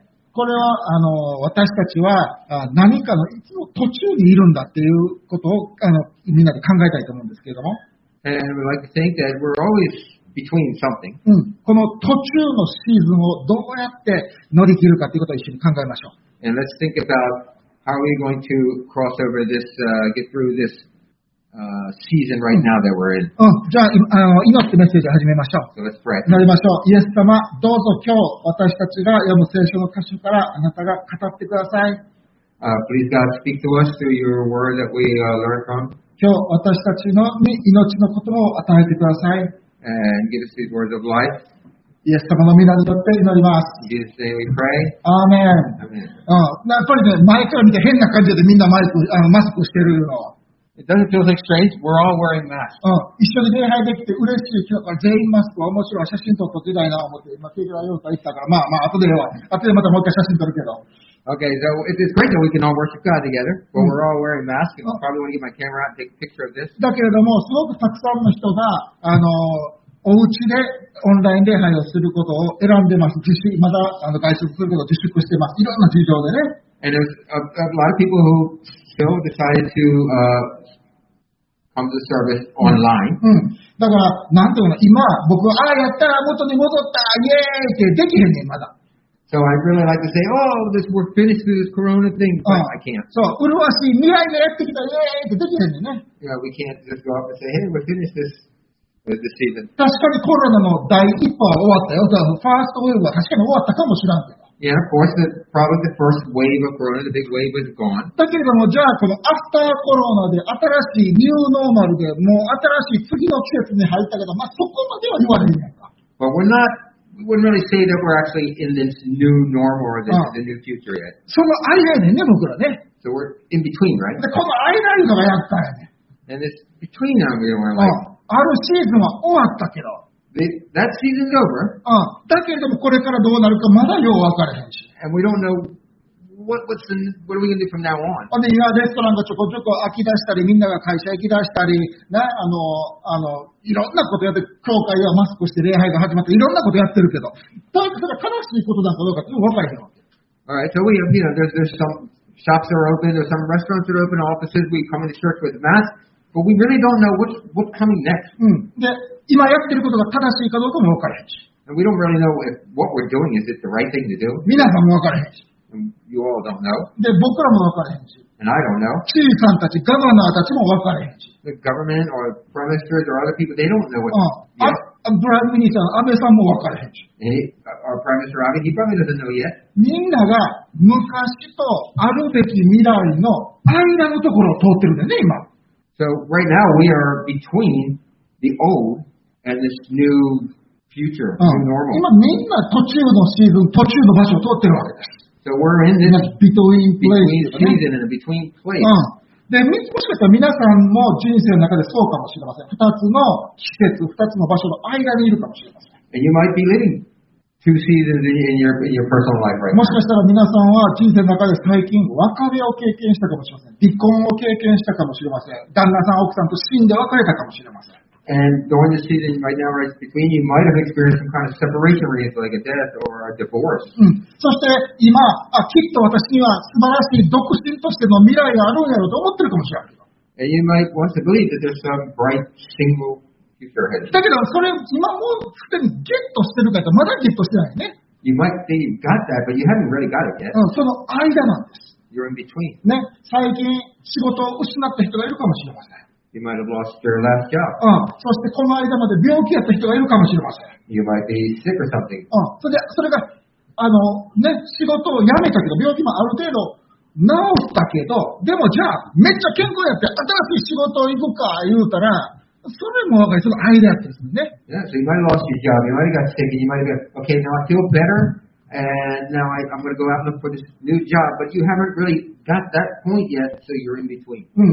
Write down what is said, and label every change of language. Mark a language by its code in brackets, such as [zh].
[ja] これは私たちは何かのいつも途中にいるんだっていうことをみんなで考えたいと思うんですけれども。 [en] And we like to think that we're always between something. [ja] この途中のシーズンをどうやって乗り切るかということを一緒に考えましょう。 [en] And let's think about how we're going to cross over this, get through this, season right now that we're in. [ja] じゃあ、祈ってメッセージ始めましょう。 [en] So let's pray. [ja] 祈りましょう。イエス様、どうぞ今日、私たちが読む聖書の箇所からあなたが語ってください。 [en] Please God, speak to us through your word that we learn from. [ja] 今日、私たちに命の言葉を与えてください。 [en] And give us these words of life. [ja] イエス様の皆によって祈ります。 [en] In Jesus' name we pray. Amen. [ja] やっぱりね、前から見て変な感じでみんなマスクしてるの。 [en] It doesn't feel like strange. We're all wearing masks. [ja] 一緒に礼拝できて嬉しい。今日から全員マスクは面白い。写真撮っときたいなと思って、今、手際用意したから、後でまたもう一回写真撮るけど。 [en] Okay, so it's great that we can all worship God together, but we're all wearing masks. I probably want to get my camera out and take a picture of this. [ja] だけれども、すごくたくさんの人が、お家でオンライン礼拝をすることを選んでます。自粛、また外出することを自粛してます。いろんな事情でね。 [en] And there's a lot of people who still decided to, come to the service online. [ja] だから、なんていうの、今、僕は、ああ、やったら元に戻った、イエーイってできへんねん、まだ。 [en] So I'd really like to say, oh, this, we're finished through this corona thing, but I can't. [ja] そう、麗しい未来がやってきた、イエーイってできへんねんね。 [en] Yeah, we can't just go up and say, hey, we're finished this. [ja] 確かにコロナの第一波は終わったよ。だからファーストウェーブは確かに終わったかもしれんけど。 [en] Yeah, of course, probably the first wave of corona, the big wave is gone. [ja] だけれども、じゃあこのアフターコロナで新しいニューノーマルで、もう新しい次の季節に入ったけど、まあそこまでは言われへんやんか。 [en] But we're not, we wouldn't really say that we're actually in this new normal or this, the new future yet. [ja] その間やねんね、僕らね。 [en] So we're in between, right? [ja] で、この間いうのがやったやね。 [en] And it's between them, you know, we're like, [ja] あるシーズンは終わったけど。 [en] That season's over. [ja] だけどもこれからどうなるかまだよう分からへんし。 [en] And we don't know what are we going to do from now on. [ja] ほんで今レストランがちょこちょこ飽き出したり、みんなが会社行き出したり、ね、いろんなことやって、教会ではマスクして礼拝が始まって、いろんなことやってるけど、ただ正しいことなのかどうかって分からへんわけ。 [en] Alright, so we have, you know, there's some shops that are open, there's some restaurants that are open, offices, we come into church with masks, but we really don't know what's coming next. [ja] で今やってることが正しいかどうかも分からへんし。 [en] And we don't really know if what we're doing is it the right thing to do. [ja] 皆さんも分からへんし。 [en] And you all don't know. [ja] で僕らも分からへんし。 [en] And I don't know. [ja] 知事さんたち、ガバナーたちも分からへんし。 [en] The government or prime ministers or other people, they don't know what. [ja] プライムミニさん、安倍さんも分からへんし。 [en] Our prime minister Abe, he probably doesn't know yet. [ja] みんなが昔とあるべき未来の間のところを通ってるんだね、今。 [en] So right now we are between the old. And this new future, new normal. [ja] 今みんな途中のシーズン、途中の場所を通ってるわけです。 [en] So we're in this between place. Between season and between place. [ja] で、もしかしたら皆さんも人生の中でそうかもしれません。二つの季節、二つの場所の間にいるかもしれません。 [en] And you might be living two seasons in your personal life right now. [ja] もしかしたら皆さんは人生の中で最近別れを経験したかもしれません。離婚を経験したかもしれません。旦那さん、奥さんと死んで別れたかもしれません。 [en] And during the season right now, right between, you might have experienced some kind of separation reasons, like a death or a divorce. [ja] そして今、きっと私には素晴らしい独身としての未来があるんやろうと思ってるかもしれない。 [en] And you might want to believe that there's some bright single future ahead. [ja] だけどそれ今もうすでにゲットしてるかとまだゲットしてないね。 [en] You might think you've got that, but you haven't really got it yet. [ja] その間なんです。 [en] You're in between. [ja] ね、最近仕事を失った人がいるかもしれません。 [en] You might have lost your last job. [ja] そしてこの間まで病気やった人がいるかもしれません。 [en] You might be sick or something. [ja] それが、ね、仕事を辞めたけど、病気もある程度治ったけど、でもじゃあ、めっちゃ健康やって、新しい仕事を行くか言うたら、それも分かる、その間やってですね。 [en] Yeah, so you might have lost your job. You might have got sick. You might have got, okay, now I feel better. And now I'm going to go out and look for this new job. But you haven't really... Got that point yet, so you're in between.